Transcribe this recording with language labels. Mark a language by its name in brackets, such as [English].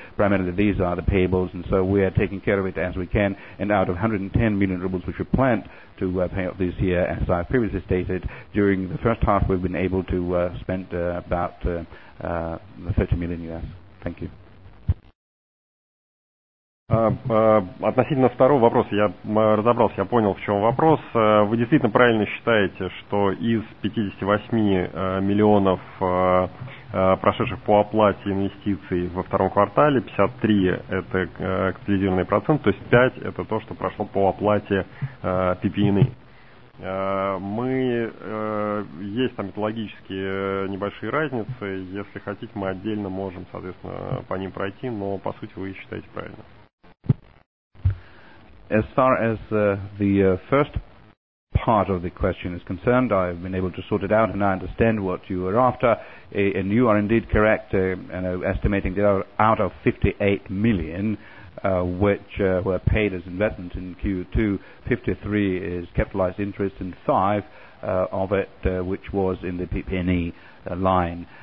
[English] Primarily, these are the payables, and so we are taking care of it as we can, and out of 110 million rubles which we planned to pay out this year, as I previously stated, during the first half we've been able to spend about 30 million US. Thank you. [Russian] Относительно второго вопроса, я разобрался, я понял, в чем вопрос. Вы действительно правильно считаете, что из 58 миллионов, прошедших по оплате инвестиций во втором квартале, 53 – это капитализированный процент, то есть 5 – это то, что прошло по оплате PP&E. Мы есть там методологические небольшие разницы, если хотите, мы отдельно можем, соответственно, по ним пройти, но, по сути, вы считаете правильно. [English] As far as the first part of the question is concerned, I've been able to sort it out and I understand what you are after, and you are indeed correct in estimating that out of 58 million which were paid as investments in Q2, 53 is capitalized interest and 5 of it which was in the PP&E line.